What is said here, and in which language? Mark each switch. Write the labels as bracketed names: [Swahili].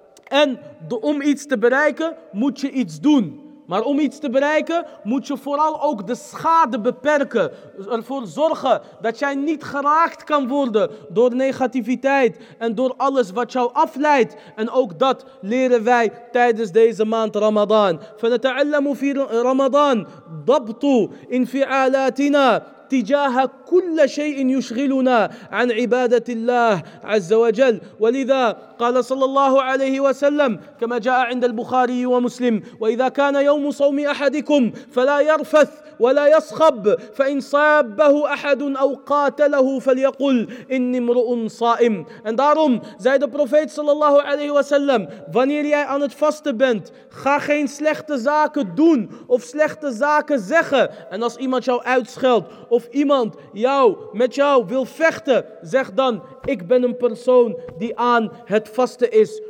[Dutch] En om iets te bereiken moet je iets doen. Maar om iets te bereiken moet je vooral ook de schade beperken. Ervoor zorgen dat jij niet geraakt kan worden door negativiteit en door alles wat jou afleidt. En ook dat leren wij tijdens deze maand Ramadan. [Arabic] فَنَتَعَلَّمُ فِي رَمَضَان ضَبْطُ إِنْفِعَالَاتِنَا تِجَاهَ كُلَّ شَيْءٍ يُشْغِلُنَا عَنْ عِبَادَةِ اللَّهِ عَزَّ وَجَلَّ وَلِذَا قال صلى الله عليه وسلم كما جاء عند البخاري ومسلم وإذا كان يوم صوم أحدكم فلا يرفث ولا يصخب فإن صابه أحد أو قاتله فليقل إني امرؤ صائم. [Dutch] En daarom zei de profeet sallallahu alayhi wa sallam, wanneer jij aan het vasten bent, ga geen slechte zaken doen of slechte zaken zeggen. En als iemand jou uitscheldt of iemand jou met jou wil vechten, zeg dan: ik ben een persoon die aan het vasten is.